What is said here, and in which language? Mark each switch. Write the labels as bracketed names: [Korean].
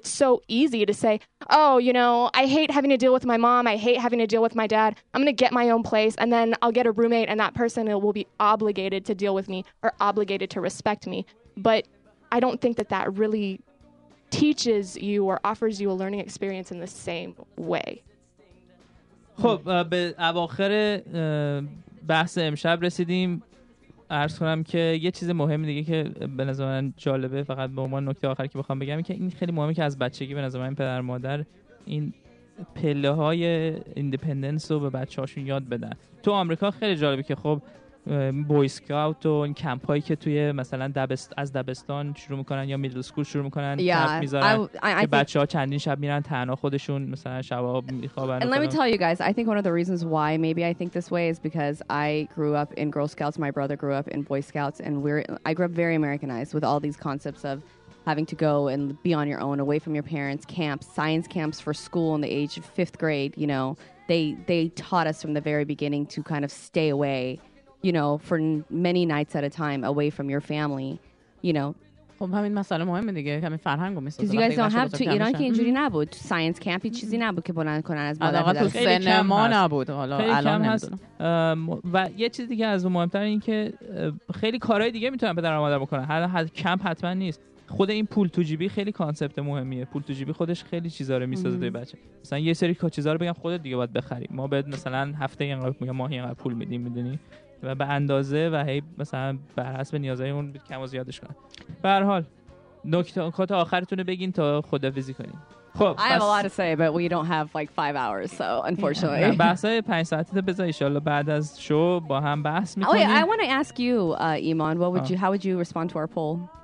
[English] It's so easy to say, oh, you know, I hate having to deal with my mom. I hate having to deal with my dad. I'm going to get my own place and then I'll get a roommate and that person will be obligated to deal with me or obligated to respect me. But I don't think that that really teaches you or offers you a learning experience in the same way. [Persian] خب به اواخر بحث امشب رسیدیم. عرض کنم که یه چیز مهم دیگه که به نظر من جالبه، فقط به عنوان نکته آخر که بخوام بگم، که این خیلی مهمه که از بچگی به نظر من پدر مادر این پله های ایندیپندنس رو به بچه هاشون یاد بدن. تو آمریکا خیلی جالبه که خب بویسکاوت و این کمپ هایی که توی مثلا از دبستان شروع میکنن یا میدل سکول شروع میکنن، بچه ها چندین شب میرن تنها خودشون مثلا شبا میخوابن. [English] And let me tell you guys, I think one of the reasons why maybe I think this way is because I grew up in Girl Scouts, my brother grew up in Boy Scouts, and I grew up very Americanized with all these concepts of having to go and be on your own, away from your parents, camps, science camps for school in the age of fifth grade, you know, they taught us from the very beginning to kind of stay away, you know, for many nights at a time away from your family, you know. [Persian] خب همین مسئله مهمه دیگه، همین فرهنگو میسازه. [English] Because you guys don't have to. [Persian] ایران که اینجوری نبود. Science camp هیچ چیزی نبود که بلند کنن از مادر پدر. آقا تو سینما نبود. حالا الان نمیدونم. و یه چیز دیگه از مهمتر این که خیلی کارهای دیگه میتونن پدر و مادر بکنن. حالا کمپ حتما نیست. خود این پول تو جیبی خیلی کانسپت مهمیه. پول تو جیبی خودش خیلی چیزا رو میسازه توی بچه. مثلا یه سری چیزا رو بگم خودت دیگه باید بخری. ما بهت مثلا هفته اینقدر یا ماه اینقدر پول میدیم، میدونی؟ و به اندازه و هی مثلا بر حسب نیازهای اون کم و زیادش کنن. به هر حال نکات آخرتون رو بگین تا خدافظی کنین. خب [English] I have a lot to say but we don't have like 5 hours so unfortunately. [Persian] بحثای 5 ساعته تو بذار ان شاء الله بعد از شو با هم بحث می‌کنیم. [English] Oh, I want to ask you Iman, what would you how would you respond to our poll?